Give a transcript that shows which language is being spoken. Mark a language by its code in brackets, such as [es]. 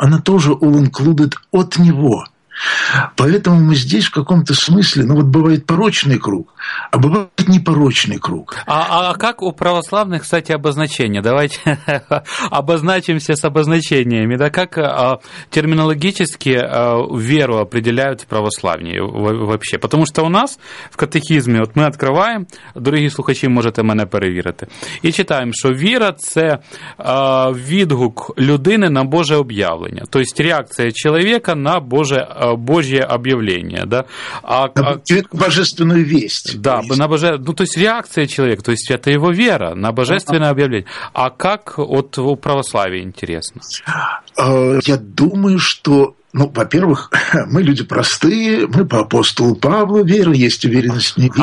[ru] Она тоже [en] all included [ru] от Него. Поэтому мы здесь в каком-то смысле, ну вот бывает порочный круг, а бывает непорочный круг. А как у православных, кстати, обозначение? Давайте обозначимся с обозначениями. Да, как терминологически веру определяют в православии вообще? Потому что у нас в катехизме, вот мы открываем, [uk] дорогі слухачі, можете мене перевірити, і читаємо, що віра – це відгук людини на Боже об'явлення. Тобто реакція чоловіка на Боже [ru] Божье объявление, да? Божественную весть. Да, на божественную, ну, то есть реакция человека, то есть это его вера на божественное объявление. А как от у православия интересно? Я думаю, что, ну, во-первых, мы люди простые, мы по апостолу Павлу, вера есть, уверенность не видим.